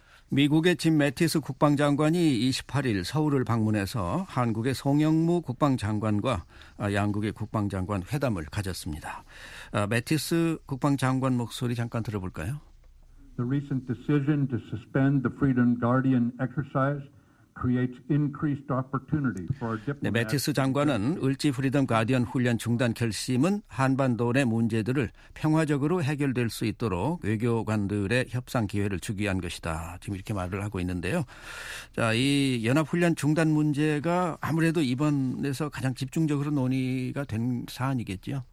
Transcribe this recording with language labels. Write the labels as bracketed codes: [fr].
[ko] 미국의 짐 매티스 국방장관이 28일 서울을 방문해서 한국의 송영무 국방장관과 양국의 국방장관 회담을 가졌습니다. 매티스 국방장관 목소리 잠깐 들어볼까요? [en] The recent decision to suspend the Freedom Guardian exercise creates increased opportunity for our diplomats. [ko] 네, 매티스 장관은 을지 프리덤 가디언 훈련 중단 결심은 한반도 내 문제들을 평화적으로 해결될 수 있도록 외교관들의 협상 기회를 주기 위한 것이다. 지금 이렇게 말을 하고 있는데요. 자, 이 연합 훈련 중단 문제가 아무래도 이번에서 가장 집중적으로 논의가 된 사안이겠지요.